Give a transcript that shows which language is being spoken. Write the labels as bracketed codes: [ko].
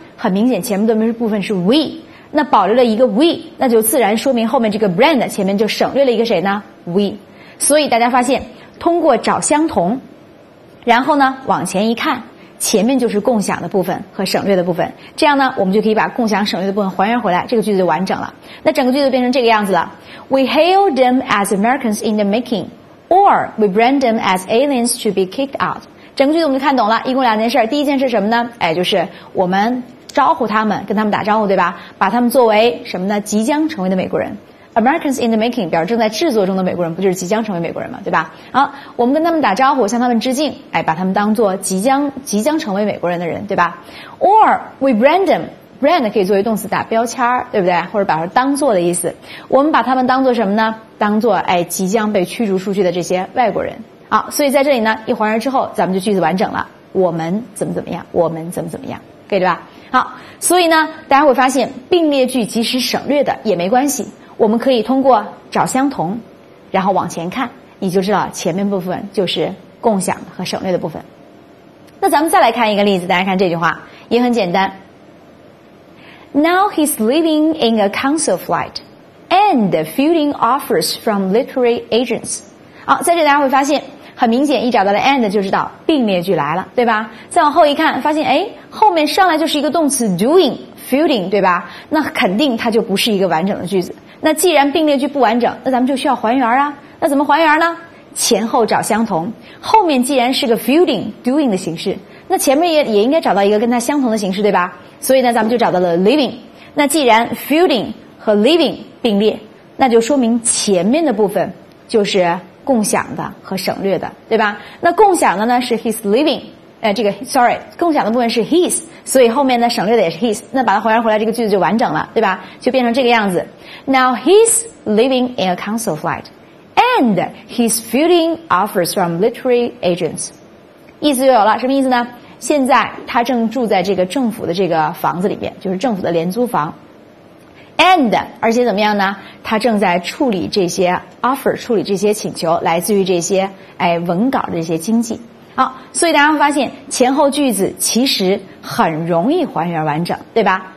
[zh] 很明显前面的部分是 we，那保留了一个 we， 那就自然说明后面这个 brand 前面就省略了一个谁呢？ [en] we。 [zh] 所以大家发现通过找相同然后呢往前一看前面就是共享的部分和省略的部分，这样呢我们就可以把共享省略的部分还原回来，这个句子就完整了。那整个句子变成这个样子了， [en] We hail them as Americans in the making or we brand them as aliens to be kicked out。 [zh] 整个句子我们就看懂了，一共两件事。第一件事什么呢？哎，就是我们招呼他们，跟他们打招呼，对吧？把他们作为什么呢？即将成为的美国人。 [en] Americans in the making [zh] 表示正在制作中的美国人，不就是即将成为美国人吗？对吧？好，我们跟他们打招呼，向他们致敬，哎，把他们当作即将成为美国人的人，对吧？ [en] Or we brand them， [zh] brand 可以作为动词打标签，对不对？或者把它当作的意思，我们把他们当作什么呢？当作哎，即将被驱逐出去的这些外国人。好，所以在这里呢一还原之后咱们就句子完整了，我们怎么怎么样，可以对吧？好，所以呢大家会发现并列句即使省略的也没关系，我们可以通过找相同然后往前看，你就知道前面部分就是共享和省略的部分。那咱们再来看一个例子，大家看这句话也很简单。 [en] Now he's living in a council flat and fielding offers from literary agents。 [zh] 好，在这大家会发现很明显一找到了 and 就知道并列句来了，对吧？再往后一看发现哎，后面上来就是一个动词 doing fielding， 对吧？那肯定它就不是一个完整的句子。那既然并列句不完整，那咱们就需要还原啊。那怎么还原呢？前后找相同，后面既然是个 fielding doing 的形式，那前面也应该找到一个跟它相同的形式，对吧？所以呢咱们就找到了 living。那既然 fielding 和 living 并列，那就说明前面的部分就是共享的和省略的，对吧？那共享的呢是 his living， 共享的部分是 his， 所以后面呢省略的也是 his， 那把它还原回来这个句子就完整了，对吧？就变成这个样子。 [en] Now he's living in a council flat and he's fielding offers from literary agents。 [zh] 意思就有了，什么意思呢？现在他正住在这个政府的这个房子里面，就是政府的廉租房， and 而且怎么样呢？他正在处理这些 offer， 处理这些请求来自于这些文稿的这些经纪。好，所以大家发现前后句子其实很容易还原完整，对吧？